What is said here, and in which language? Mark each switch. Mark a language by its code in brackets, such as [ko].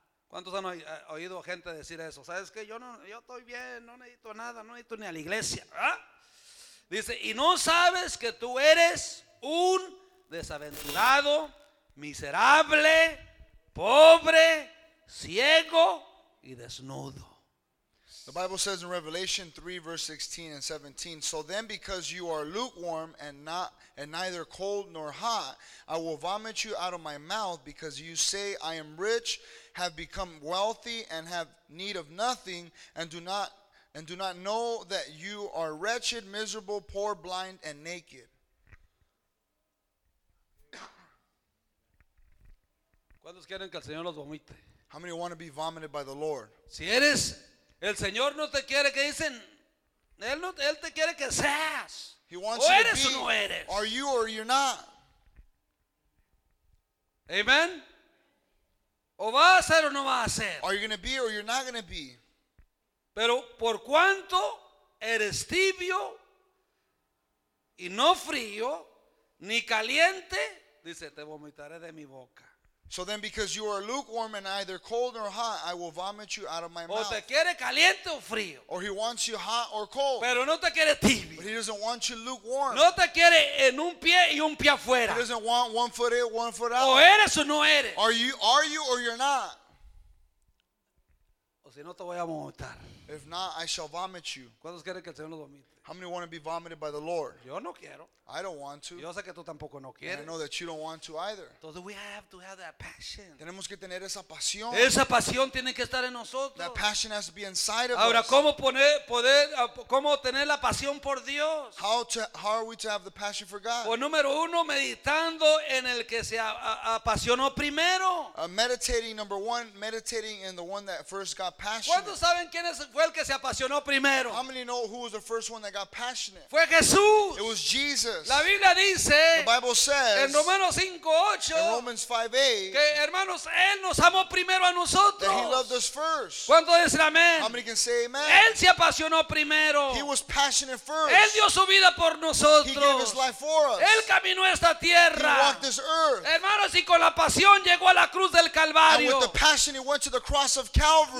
[es] ¿Cuántos han oído gente decir eso? ¿Sabes qué? Yo estoy bien, no necesito nada, no necesito ni a la iglesia, ¿verdad? Dice, y no sabes que tú eres un desaventurado, miserable, pobre, ciego y desnudo. [en] The Bible says in Revelation 3, verse 16 and 17, so then because you are lukewarm and neither cold nor hot, I will vomit you out of my mouth, because you say, I am rich, have become wealthy, and have need of nothing, and do not know that you are wretched, miserable, poor, blind, and naked. [es] ¿Cuántos quieren que el Señor los vomite? [en] How many want to be vomited by the Lord? [es] Si eres... El Señor no te quiere que dicen, él no, él te quiere que seas. [en] He wants [es] o eres [en] you to be, [es] o no eres. [en] Are you or you're not? [es] Amen. O vas a ser o no vas a ser. [en] Are you going to be or you're not going to be? [es] Pero por cuanto eres tibio y no frío ni caliente, dice, te vomitaré de mi boca. [en] So then because you are lukewarm and either cold or hot, I will vomit you out of my mouth. [es] O te quiere caliente o frío. [en] Or he wants you hot or cold. [es] Pero no te quiere tibio. [en] But he doesn't want you lukewarm. [es] No te quiere en un pie y un pie afuera. [en] He doesn't want one foot in, one foot out. [es] O eres o no eres. [en] Are you or you're not? [es] O si no te voy a vomitar. [en] If not, I shall vomit you. [es] ¿Cuántos quieren que el Señor lo vomite? [en] How many want to be vomited by the Lord? [es] Yo no quiero. [en] I don't want to. [es] Yo sé que tú tampoco no quieres. [en] And I know that you don't want to either. Entonces we have to have that passion. [es] Tenemos que tener esa pasión. Esa pasión tiene que estar en nosotros. [en] That passion has to be inside of [es] Ahora, [en] us. [es] ¿Cómo poner, poder, cómo tener la pasión por Dios? [en] How are we to have the passion for God? [es] Pues número uno, meditando en el que se apasionó primero. [en] Meditating, number one, meditating in the one that first got passionate. [es] ¿Cuántos saben quién fue el que se apasionó primero? [en] How many know who was the first one that got passionate? [es] Fue Jesús. [en] It was Jesus. [es] La Biblia dice, [en] the Bible says [es] en Romanos 5, 8, [en] in Romans 5:8 [es] que hermanos, Él nos amó primero a nosotros. [en] That he loved us first. [es] ¿Cuánto dicen amén? [en] How many can say amen? [es] Él se apasionó primero. [en] He was passionate first. [es] Él dio su vida por nosotros. [en] He gave his life for us. [es] Él caminó esta tierra. [en] He walked this earth. [es] Hermanos, y con la pasión llegó a la cruz del Calvario. [en] And with the passion he went to the cross of Calvary.